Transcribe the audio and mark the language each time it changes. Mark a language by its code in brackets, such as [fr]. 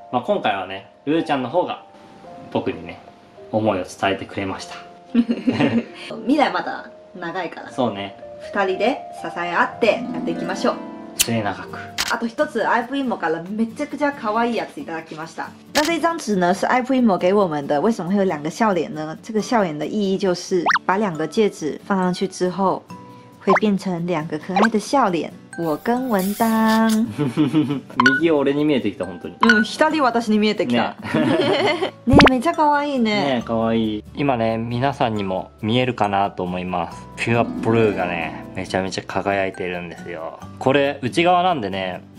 [ja] まあ今回はね、ルーちゃんの方が僕にね、思いを伝えてくれました。未来まだ長いから。そうね。二人で支え合ってやっていきましょう。末永く。あと一つ、アイプインモからめちゃくちゃ可愛いやついただきました。 [zh] 那这张纸呢是 iPrimo 给我们的。为什么会有两个笑脸呢？这个笑脸的意义就是把两个戒指放上去之后，会变成两个可爱的笑脸。我跟文丹。 [ja] 右は俺に見えてきた本当に。左私に見えてきた。ね、めちゃ可愛いね。ね、可愛い。今ね、皆さんにも見えるかなと思います。ピュアブルーがね、めちゃめちゃ輝いているんですよ。これ内側なんでね、